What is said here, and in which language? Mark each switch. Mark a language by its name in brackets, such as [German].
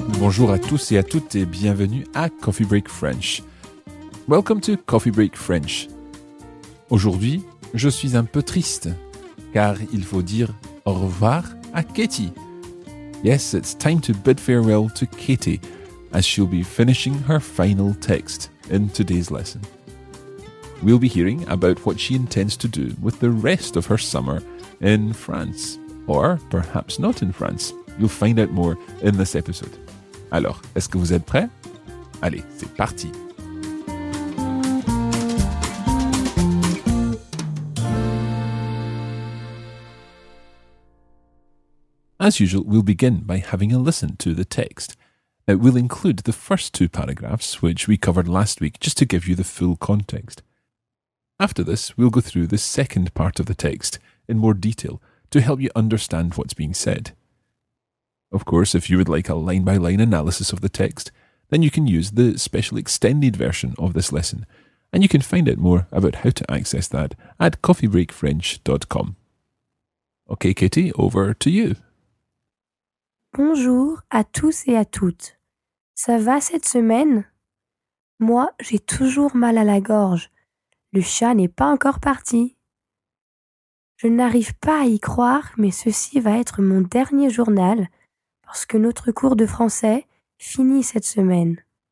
[French] Bonjour à tous et à toutes et bienvenue à Coffee Break French. [English] Welcome to Coffee Break French. [French] Aujourd'hui, je suis un peu triste, car il faut dire au revoir à Katie. [English] Yes, it's time to bid farewell to Katie, as she'll be finishing her final text in today's lesson. We'll be hearing about what she intends to do with the rest of her summer in France, or perhaps not in France. You'll find out more in this episode. [French] Alors, est-ce que vous êtes prêts? Allez, c'est parti! [English] As usual, we'll begin by having a listen to the text. It will include the first two paragraphs, which we covered last week, just to give you the full context. After this, we'll go through the second part of the text in more detail to help you understand what's being said. Of course, if you would like a line-by-line analysis of the text, then you can use the special extended version of this lesson, and you can find out more about how to access that at coffeebreakfrench.com. Okay, Katie, over to you. [French] Bonjour à tous et à toutes. Ça va cette semaine? Moi, j'ai toujours mal à la gorge. Le chat n'est pas encore parti. Je n'arrive pas à y croire, mais ceci va être mon dernier journal parce que notre cours de français finit cette semaine.